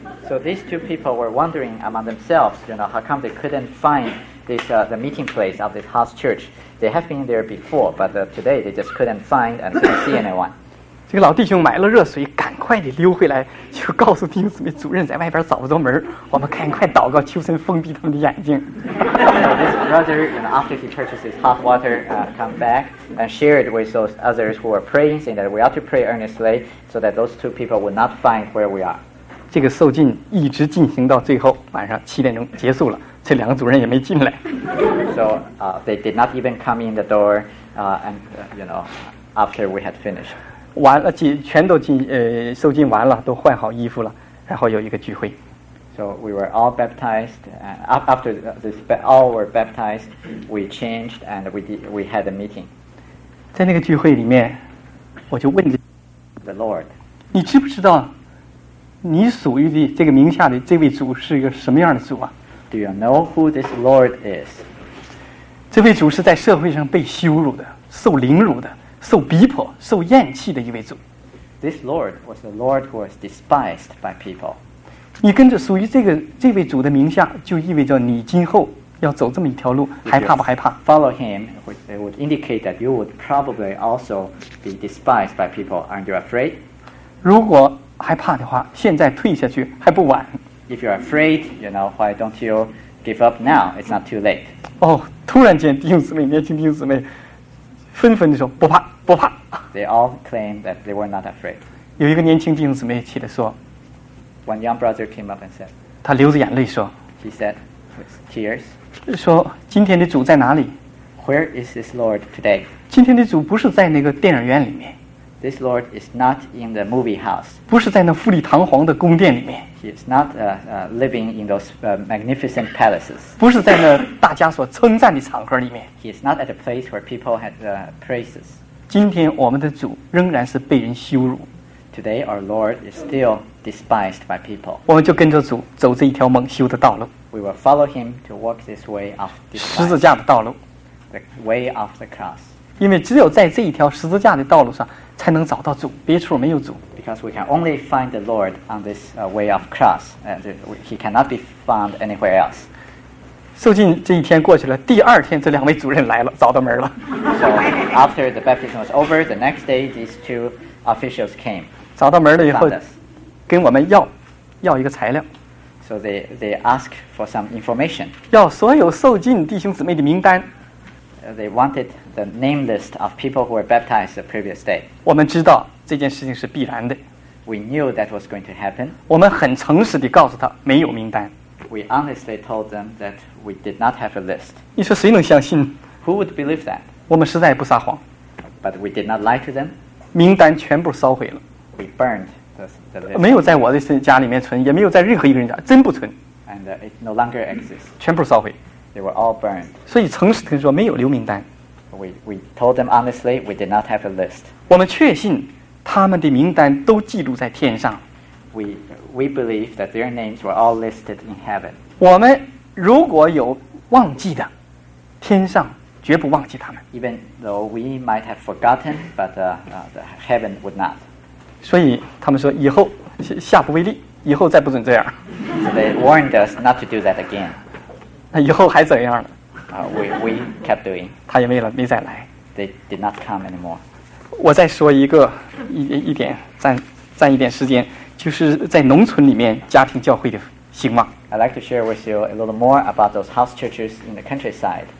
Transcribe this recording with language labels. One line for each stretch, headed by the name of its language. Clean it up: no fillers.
English: So these two people were wondering among themselves, you know, how come they couldn't find this the meeting place of this house church. They have been there before, but today they just couldn't find and couldn't see anyone.
Chinese: 这个老弟兄买了热水，赶快地溜回来，就告诉弟兄姊妹，主任在外边找不着门，我们赶快祷告，求神封闭他们的眼睛。
English: So this brother, you know, after he purchases hot water, come back and share it with those others who are praying, saying that we ought to pray earnestly so that those two people would not find where we are.
Chinese: 这个受浸一直进行到最后，晚上7点钟结束了。这两个主任也没进来。
English: So, they did not even come in the door, and, you know, after we had finished.
Chinese: 完了几全都进呃受浸完了，都换好衣服了，然后有一个聚会。
English: So we were all baptized. After this, all were baptized. We changed and we had a meeting.
Chinese: 在那个聚会里面，我就问
English: the Lord，
Chinese: 你知不知道你属于的这个名下的这位主是一个什么样的主啊
English: ？Do you know who this Lord is？
Chinese: 这位主是在社会上被羞辱的，受凌辱的，受逼迫，受厌弃的一位主。
English: This Lord was the Lord who was despised by people。
Chinese: 你跟着属于这位主的名下，就意味着你今后要走这么一条路，害怕不害怕
English: ？Follow him, it would indicate that you would probably also be despised by people. Aren't you afraid？
Chinese: 如果害怕的话，现在退下去还不晚。
English: If you're afraid, you know, why don't you give up now? It's not too late.
Chinese: 哦，突然间，弟兄姊妹，年轻弟兄姊妹，纷纷地说不怕，不怕。
English: They all claimed that they were not afraid.
Chinese: 有一个年轻弟兄姊妹起来说
English: ，One young brother came up and said.
Chinese: 他流着眼泪说
English: ，He said with tears.
Chinese: 说今天的主在哪里
English: ？Where is this Lord today?
Chinese: 今天的主不是在那个电影院里面。
English: This Lord is not in the movie house.
Chinese: 不是在那富丽堂皇的宫殿里面。
English: He is not living in those magnificent palaces.
Chinese: 不是在那大家所称赞的场合里面。
English: He is not at a place where people had praises.
Chinese: 今天我们的主仍然是被人羞辱。
English: Today our Lord is still despised by people.
Chinese: 我们就跟着主走这一条蒙羞的道路。
English: We will follow him to walk this way of despise.
Chinese: 十字架的道路。
English: The way of the cross.
Chinese: 因为只有在这一条十字架的道路上才能找到主，别处没有主。
English: Because we can only find the Lord on this way of cross, and he cannot be found anywhere else.
Chinese: 受浸这一天过去了，第二天这两位主任来了，找到门了。
English: So after the baptism was over, the next day these two officials came.
Chinese: 找到门了以后，跟我们要一个材料。
English: So they ask for some information.
Chinese: 要所有受浸弟兄姊妹的名单。
English: They wanted the name list of people who were baptized the previous day.
Chinese: 我们知道这件事情是必然的。
English: We knew that was going to happen.
Chinese: 我们很诚实地告诉他没有名单。
English: We honestly told them that we did not have a list.
Chinese: 你说谁能相信？
English: Who would believe that?
Chinese: 我们实在不撒谎。
English: But we did not lie to them.
Chinese: 名单全部烧毁了。
English: We burned the list.
Chinese: 没有在我的家里面存，也没有在任何一个人家，真不存。
English: And it no longer exists.
Chinese: 全部烧毁。
English: They were all burned.
Chinese: 所以诚实地说没有留名单。
English: We told them honestly we did not have a list.
Chinese: 我们确信他们的名单都记录在天上。
English: We believe that their names were all listed in heaven.
Chinese: 我们如果有忘记的，天上绝不忘记他们。
English: Even though we might have forgotten, but the heaven would not.
Chinese: 所以他们说以后下不为例，以后再不准这样。
English: So they warned us not to do that again.
Chinese: 那以后还怎样了？
English: We kept doing.
Chinese: 他也没再来。
English: They did not come anymore.
Chinese: 我再说一点，占一点时间，就是在农村里面家庭教会的兴旺。
English: I'd like to share with you a little more about those house churches in the countryside.